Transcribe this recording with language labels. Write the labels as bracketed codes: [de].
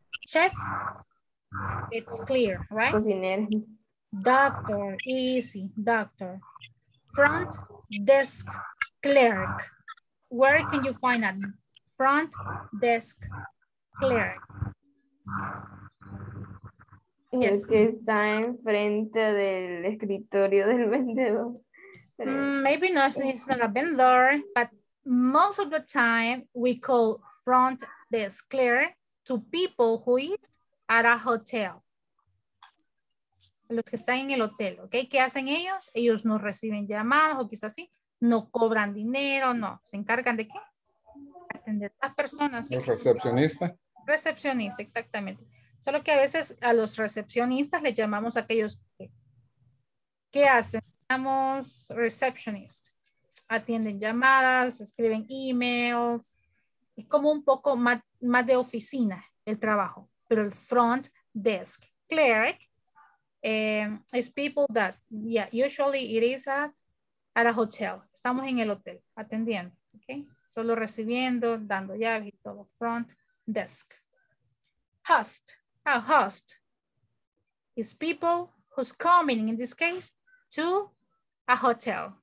[en] Chef. It's clear, right? [es] Cocinero. [en] Doctor, easy, doctor. Front desk clerk. Where can you find a front desk clerk? [es] Y el que está enfrente del escritorio del vendedor. [en] Maybe not, it's not a vendor, but most of the time we call front desk clerk to people who eat at a hotel. [es] Los que están en el hotel, ¿ok? ¿Qué hacen ellos? Ellos no reciben llamadas o quizás sí, no cobran dinero, no. ¿Se encargan de qué? Atender a las personas. ¿El recepcionista? Recepcionista, exactamente. Solo que a veces a los recepcionistas les llamamos a aquellos que, ¿qué hacen? Llamamos receptionist. Atienden llamadas, escriben emails. Es como un poco más de oficina el trabajo, pero el front desk clerk. [en] It's people that, yeah, usually it is at a hotel. [es] Estamos en el hotel, atendiendo, okay? Solo recibiendo, dando llaves y todo. [en] Front desk. Host. A host is people who's coming, in this case, to a hotel.